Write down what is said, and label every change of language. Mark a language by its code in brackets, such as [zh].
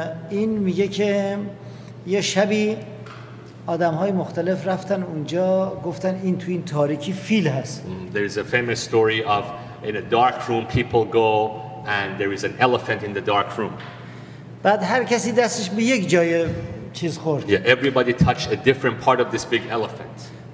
[fa] این میگه که یه شبی آدم‌های مختلف رفتن اونجا، گفتن این تو این تاریکی فیل هست. [en] There is a famous story of in a dark room people go and there is an elephant in the dark room. [fa] بعد هر کسی دستش به یک جای چیز خورد. [en] Yeah, everybody touched a different part of this big elephant.